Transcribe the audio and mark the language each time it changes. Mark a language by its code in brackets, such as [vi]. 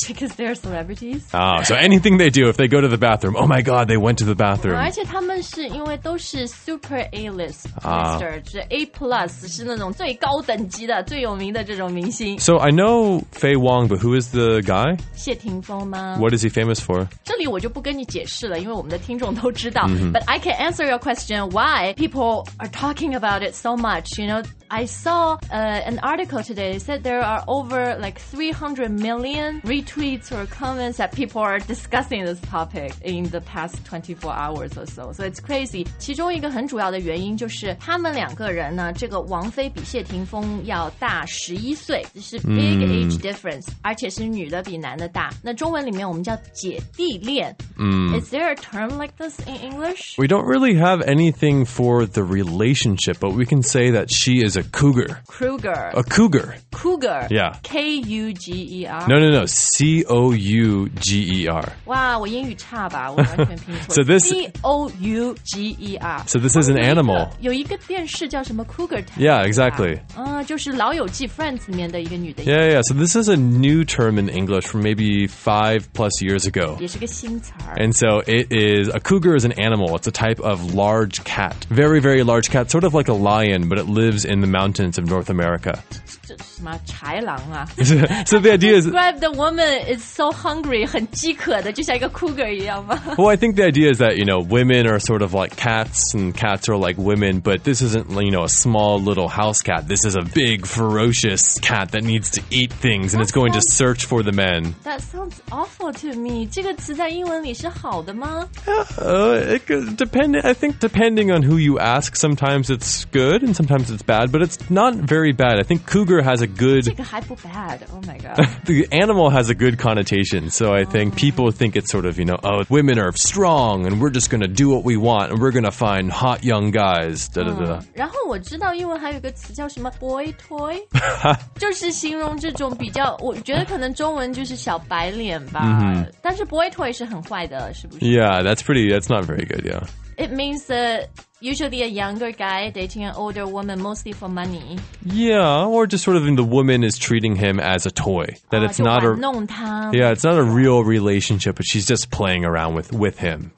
[en] because they're celebrities Ah, so anything they do if they go to the bathroomOh my god, they went to the bathroom. [zh] 而且他们是因为都是 [en] super A-list [zh] Mr. 是 A plus 是那种最高等级的最有名的这种明星 [en] So I know Fei Wong, but who is the guy? [zh] 谢霆锋吗 [en] What is he famous for? [zh] 这里我就不跟你解释了因为我们的听众都知道、mm-hmm. [en] But I can answer your question Why people are talking about it so much You know, I saw、an article today It said there are over like 300 million retweets or comments That people are discussing this topicin the past 24 hours or so. So it's crazy. [zh] 其中一个很主要的原因就是他们两个人呢这个王菲比谢霆锋要大11岁这是 [en] big age difference、 [zh] mm. 而且是女的比男的大那中文里面我们叫姐弟恋、 mm. [en] Is there a term like this in English? We don't really have anything for the relationship but we can say that she is a cougar. Cougar. A cougar. Cougar. Yeah. K-U-G-E-R. No. C-O-U-G-E-R. [zh] 哇我英语差吧我完全拼错了 C-O-U-G-E-R [en] So this is an animal [zh] 有一个电视叫什么 Cougar Town [en] Yeah, exactly、 [zh] 就是老友记 Friends 里面的一个女的 [en] Yeah, so this is a new term in English from maybe 5+ years ago [zh] 也是个新词 [en] And so it is A cougar is an animal It's a type of large cat Very, very large cat Sort of like a lion But it lives in the mountains of North America [zh] 什么豺狼啊 [en] So the idea is Describe the woman is so hungry [zh] 很饥渴的就像一个 cougar 一样 [en] Well, I think the idea is that, you know, women are sort of like cats and cats are like women, but this isn't, you know, a small little house cat. This is a big, ferocious cat that needs to eat things and it's going to search for the men. That sounds awful to me. [zh] 这个词在英文里是好的吗? [en] I think depending on who you ask, sometimes it's good and sometimes it's bad, but it's not very bad. I think cougar has a good... [zh] 这个还不 bad. [en] Oh my god. The animal has a good connotation, so I think people think it's sort of, you know,women are strong and we're just gonna do what we want and we're gonna find hot young guys da, da, da.、 [zh] 然后我知道英文还有一个词叫什么 boy toy 就是形容这种比较我觉得可能中文就是小白脸吧、 mm-hmm. 但是 boy toy 是很坏的是不是 [en] Yeah, that's pretty, that's not very good, yeah It means thatUsually a younger guy dating an older woman mostly for money. Yeah, or just sort of the woman is treating him as a toy. That it's not a, [zh] 就玩弄他。 [en] Yeah, it's not a real relationship, but she's just playing around with him.